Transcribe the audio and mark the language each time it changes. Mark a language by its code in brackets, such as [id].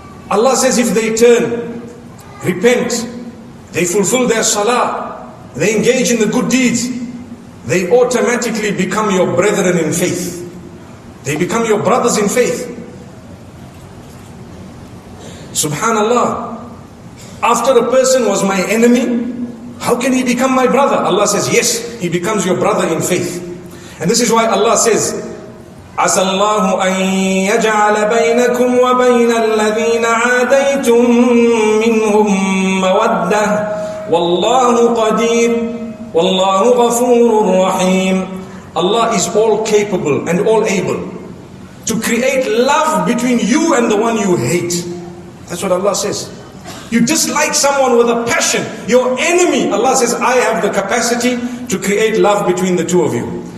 [en] Allah says if they turn, repent, they fulfill their salah, they engage in the good deeds, they automatically become your brethren in faith. They become your brothers in faith. Subhanallah. After a person was my enemy, how can he become my brother? Allah says, yes, he becomes your brother in faith. And this is why Allah says, [ar] عَسَى اللَّهُ أَن يَجْعَلَ بَيْنَكُمْ وَبَيْنَ الَّذِينَ عَادَيْتُمْ مِنْهُمْ مَوَدَّةً وَاللَّهُ قَدِيرٌ وَاللَّهُ غَفُورٌ رَّحِيمٌ. [en] Allah is all capable and all able to create love between you and the one you hate. That's what Allah says. You dislike someone with a passion, your enemy. Allah says, I have the capacity to create love between the two of you.